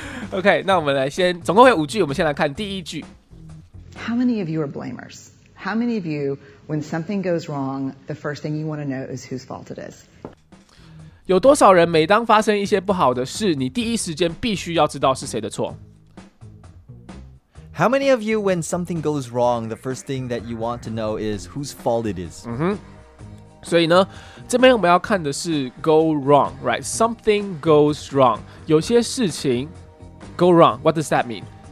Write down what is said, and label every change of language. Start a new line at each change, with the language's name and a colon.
Chinese: OK，那我们来先，总共会有五句，我们先来看第一句。
English: How many of you are blamers? How many of you, when something goes wrong, the first thing you want to know is whose fault it is?
Chinese: 有多少人每当发生一些不好的事，你第一时间必须要知道是谁的错？
English: How many of you, when something goes wrong, the first thing that you want to know is whose fault it is?
Chinese: 所以呢，这边我们要看的是
English: go wrong, right? Something goes wrong.
Chinese: 有些事情
English: go wrong. What does that mean?